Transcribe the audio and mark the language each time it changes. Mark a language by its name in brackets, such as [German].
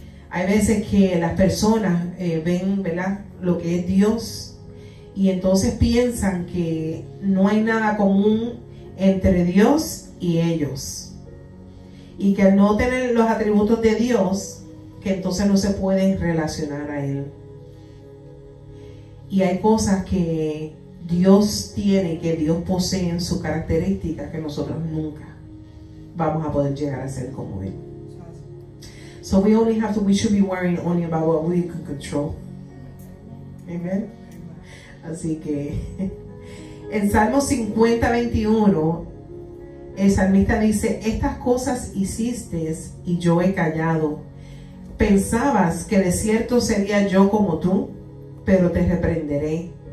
[Spanish] Hay veces que las personas ven, ¿verdad?, lo que es Dios, y entonces piensan que no hay nada común entre Dios y ellos, y que al no tener los atributos de Dios, que entonces no se pueden relacionar a Él. Y hay cosas que Dios tiene, que Dios posee en su característica, que nosotros nunca vamos a poder llegar a ser como Él. [English] So we should be worrying only about what we can control. Amen. [Spanish] Así que en Salmo 50:21 el salmista dice: estas cosas hiciste y yo he callado. Pensabas que de cierto sería yo como tú, pero te reprenderé.